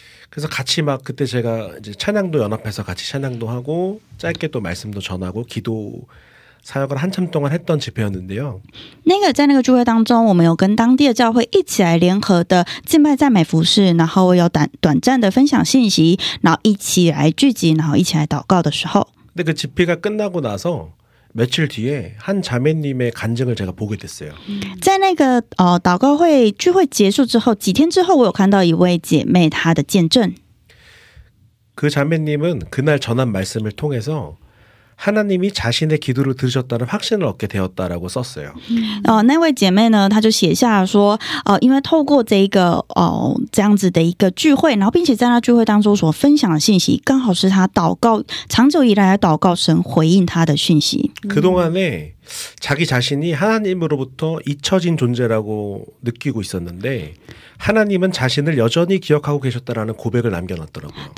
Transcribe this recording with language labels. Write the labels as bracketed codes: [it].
[ko] 그래서같이막그때제가이제찬양도연합해서같이찬양도하고짧게또말씀도전하고기도사역을한참동안했던집회였는데요 [zh] 那个在那个聚会当中，我们有跟当地的教会一起来联合的敬拜赞美服事，然后有短暂的分享信息，然后一起来聚集，然后一起来祷告的时候。 [ko] 근데 그 집회가 끝나고 나서 며칠 뒤에 한 자매님의 간증을 제가 보게 됐어요. [zh] 在那个祷告会聚会结束之后几天之后我有看到一位姐妹她的见证。 [ko] 그 자매님은 그날 전한 말씀을 통해서 하나님이 자신의 기도를 들으셨다는 확신을 얻게 되었다라고 썼어요. [zh] 那位姐妹呢，她就写下说，因为透过这个这样子的一个聚会，然后并且在那聚会当中所分享的信息，刚好是她祷告长久以来的祷告神回应她的讯息。 [ko] 그동안에 자기 자신이 하나님으로부터 잊혀진 존재라고 느끼고 있었는데 하나님은 자신을 여전히 기억하고 계셨다라는 고백을 남겨놨더라고요.